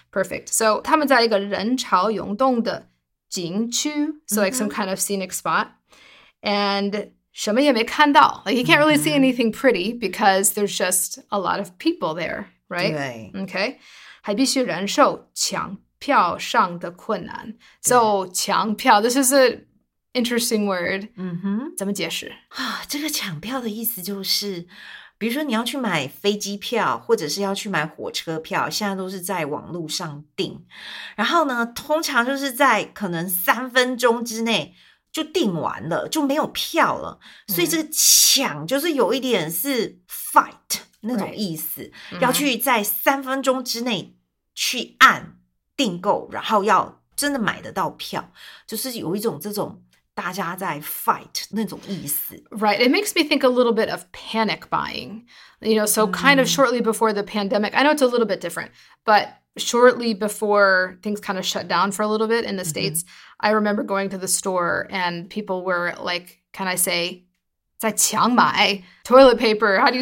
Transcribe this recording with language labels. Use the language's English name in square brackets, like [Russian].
[English] perfect. So [Chinese] 他们在一个人潮涌动的景区， [English] so like some kind of scenic spot, and [Chinese] 什么也没看到。 [English] Like you can't really see anything pretty because there's just a lot of people there, right? [Chinese] 对， Okay, 还必须忍受抢票上的困难。对， [English] So 抢票，this is a interesting word， [Chinese] 怎么解释？这个抢票的意思就是，比如说你要去买飞机票，或者是要去买火车票，现在都是在网络上订，然后呢，通常就是在可能3分钟之内。就订完了，就没有票了，所以这个抢就是有一点是 fight 那种意思，要去在3分钟之内去按订购，然后要真的买得到票，就是有一种这种大家在 fight 那种意思。 [English] Right, it makes me think a little bit of panic buying. You know, so kind of shortly before the pandemic, I know it's a little bit different, but shortly before things kind of shut down for a little bit in the States, I remember going to the store and people were like, can I say, [Chinese] 在抢买 [English] toilet paper, how do you